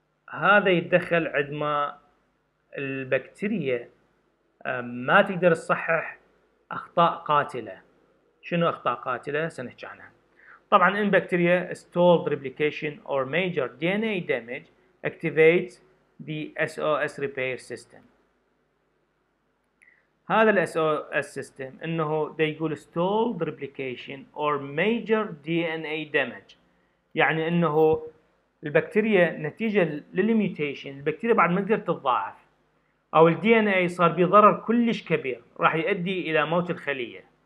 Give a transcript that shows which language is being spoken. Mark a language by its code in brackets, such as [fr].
[ar] هذا يتدخل عندما البكتيريا ما تقدر تصحح أخطاء قاتلة. شنو أخطاء قاتلة؟ سنحكي عنها. طبعا إن بكتيريا [en] stalled replication or major DNA damage activates the SOS repair system. [ar] هذا الـ SOS system إنه دي يقول [en] stalled replication or major DNA damage، [ar] يعني إنه البكتيريا نتيجه للميوتيشن البكتيريا بعد ما تقدر تتضاعف، او الدي ان اي صار بيه ضرر كلش كبير راح يؤدي الى موت الخليه.